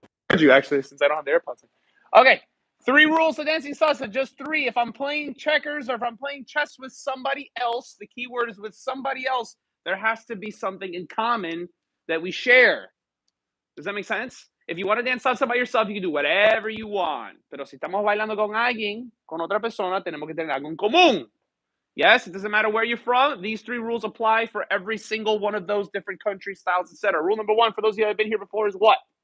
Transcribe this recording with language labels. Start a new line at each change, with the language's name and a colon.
English: Could you actually, since I don't have the AirPods. Okay. Three rules to dancing salsa, just three. If I'm playing checkers or if I'm playing chess with somebody else, the key word is with somebody else, there has to be something in common that we share. Does that make sense? If you want to dance salsa by yourself, you can do whatever you want.
Spanish: Pero si estamos bailando con alguien, con otra persona, tenemos que tener algo en común.
English: Yes, it doesn't matter where you're from. These three rules apply for every single one of those different country styles, etc. Rule number one, for those of you that have been here before, is what?